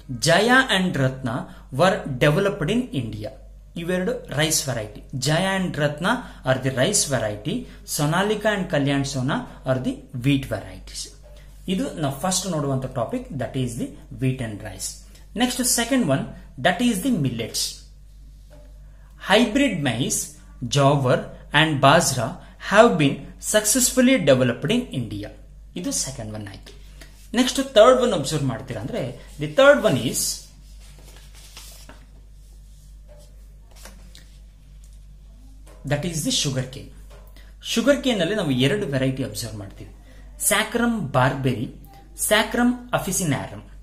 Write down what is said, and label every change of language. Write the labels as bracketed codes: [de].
[en] Jaya and Ratna were developed in India. [kn] ಇವೆರಡು [en] Rice variety, Jaya and Ratna are the rice variety, Sonalika and Kalyan Sona are the wheat varieties. [kn] ಇದು ನಾವು first ನೋಡುವಂತ topic, [en] That is the wheat and rice. Next second one, that is the millets. Hybrid maize, jowar and bajra have been successfully developed in India. [kn] ಇದು second one ಆಯ್ತು. [en] next third one observe [kn] ಮಾಡ್ತೀರಾ ಅಂದ್ರೆ, [en] The third one is that is the sugarcane. [kn] Sugar cane ಅಲ್ಲಿ ನಾವು ಎರಡು variety observe ಮಾಡ್ತೀವಿ, ಸ್ಯಾಕ್ರಮ್ ಬಾರ್ಬೆರಿ, ಸ್ಯಾಕ್ರಮ್ ಅಫಿಸಿನಾರಮ್.